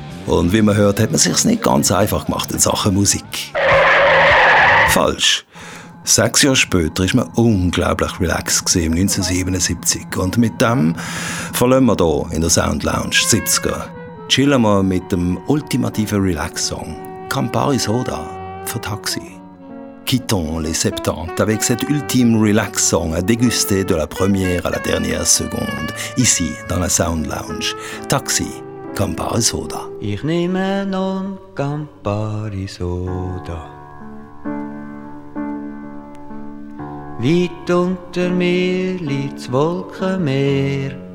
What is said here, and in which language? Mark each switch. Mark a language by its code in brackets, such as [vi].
[de] Und wie man hört, hat man es sich nicht ganz einfach gemacht in Sachen Musik. Falsch. 6 Jahre später war man unglaublich relaxed, 1977. Und mit dem verlassen wir hier in der Sound Lounge 70er. Chillen wir mit dem ultimativen Relax-Song Campari Soda für Taxi. [fr] Quittons les 70 avec cet ultime relaxant à déguster de la première à la dernière seconde, ici dans la Sound Lounge. Taxi, Campari Soda. [de] Ich nehme nun Campari Soda. Weit unter mir liegt das Wolkenmeer.